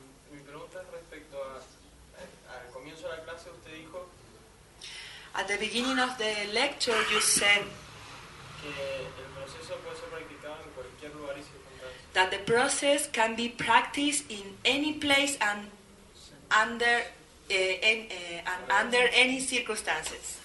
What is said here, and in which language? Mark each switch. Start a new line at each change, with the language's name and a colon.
Spanish: Mi pregunta es respecto al comienzo de la clase, usted dijo.
English: At the beginning of the lecture, you said.
Spanish: Que el proceso puede ser practicado en cualquier lugar y se.
English: That the process can be practiced in any place and under any circumstances.